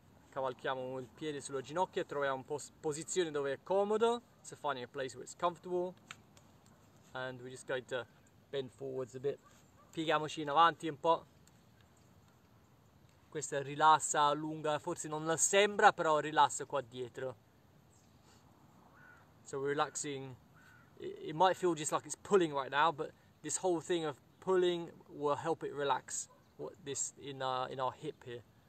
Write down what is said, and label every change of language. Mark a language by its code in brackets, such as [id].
[it] Cavalchiamo il piede sulla ginocchia e troviamo una posizione dove è comodo. [en] So finding a place where it's comfortable. And we're just going to bend forwards a bit. [it] Pieghiamoci in avanti un po'. Questa rilassa lunga, forse non la sembra, però rilassa qua dietro. [en] So we're relaxing. It might feel just like it's pulling right now, but this whole thing of pulling will help it relax. This in our hip here.